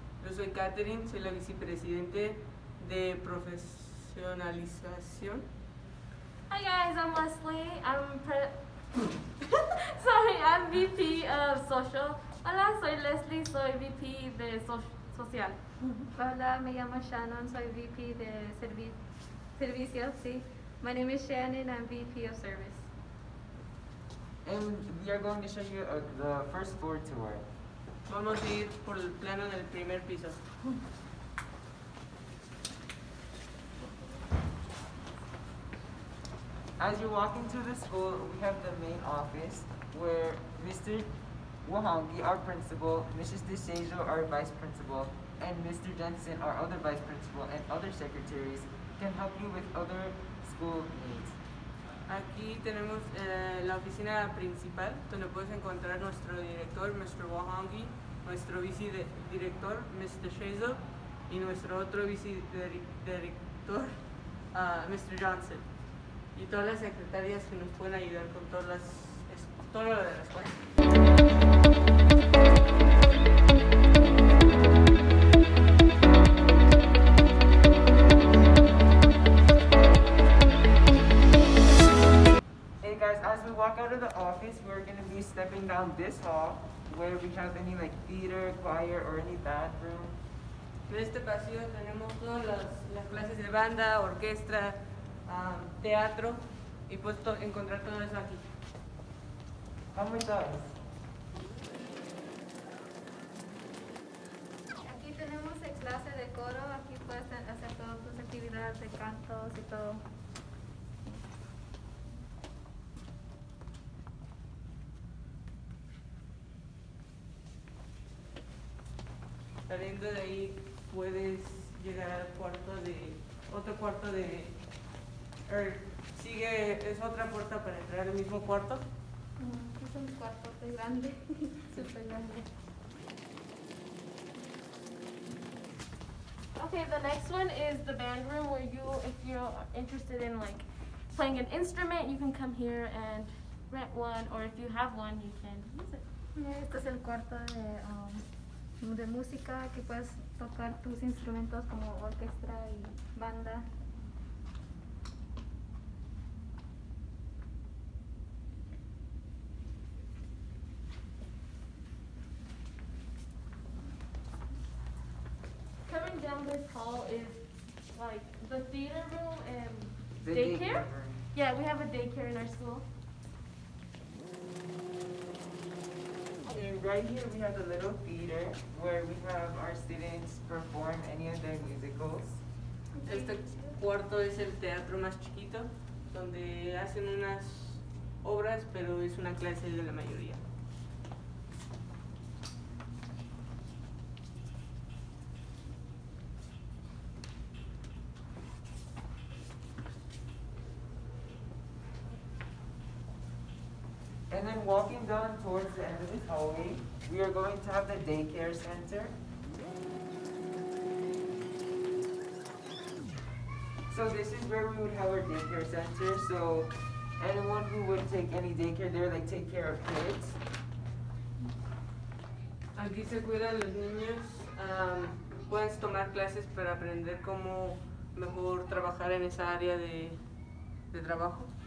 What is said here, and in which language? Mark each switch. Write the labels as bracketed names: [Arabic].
[Spanish] Yo soy Catherine, soy la Vicepresidente de Profesionalización. [English] Hi guys, I'm Leslie. I'm VP of Social. [Spanish] Hola, soy Leslie, soy VP de Social. Hola, me llamo Shannon, soy VP de Servicio, sí. [English] My name is Shannon, I'm VP of Service. And we are going to show you the first floor tour. [Spanish] Vamos a ir por el plano del primer piso. [English] As you walk into the school, we have the main office where Mr. Wuhongi, our principal, Mrs. DeSejo, our vice principal, and Mr. Jensen, our other vice principal, and other secretaries can help you with other school needs. [Spanish] Aquí tenemos la oficina principal, donde puedes encontrar nuestro director, Mr. Wuhongi, nuestro vice-director, Mr. Shazo, y nuestro otro vice-director, Mr. Johnson. Y todas las secretarias que nos pueden ayudar con todo lo de las cosas. [English] Stepping down this hall, where we have any like theater, choir, or any bathroom. [Spanish] En este pasillo tenemos todas las clases de banda, orquesta, teatro, y puedes encontrar todo eso aquí. [English] Come with us. [Spanish] Aquí tenemos clase de coro. Aquí puedes hacer todas tus actividades de cantos y todo. Saliendo de ahí puedes llegar al cuarto de otro cuarto de sigue es otra puerta para entrar al mismo cuarto. Es un cuarto grande, super grande. [English] Okay, the next one is the band room where if you are interested in like playing an instrument, you can come here and rent one, or if you have one, you can use it. [Spanish] Este es el cuarto de música, que puedes tocar tus instrumentos como orquesta y banda. [English] Coming down this hall is like the theater room and the daycare. Yeah, we have a daycare in our school. Right here we have the little theater where we have our students perform any of their musicals. [Spanish] Este cuarto es el teatro más chiquito, donde hacen unas obras, pero es una clase de la mayoría. [English] And then walking down towards the end of this hallway, we are going to have the daycare center. So this is where we would have our daycare center. So anyone who would take any daycare there, like take care of kids. [Spanish] Aquí se cuidan los niños. Puedes tomar clases para aprender cómo mejor trabajar en esa área de trabajo.